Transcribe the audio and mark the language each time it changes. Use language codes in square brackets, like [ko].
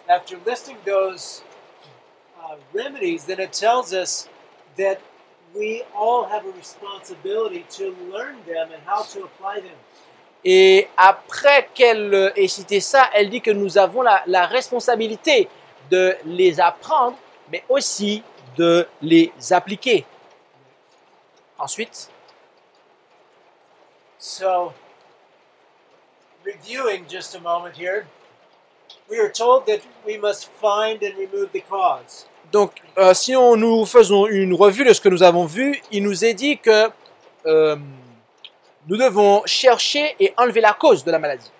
[en] After listing those remedies, then it tells us that we all have a responsibility to learn them and how to apply them. [fr] Et après qu'elle ait cité ça, elle dit que nous avons la responsabilité de les apprendre, mais aussi de les appliquer. Ensuite. [en] So, reviewing just a moment here, we are told that we must find and remove the cause. [fr] Donc, nous faisons une revue de ce que nous avons vu, il nous est dit que nous devons chercher et enlever la cause de la maladie.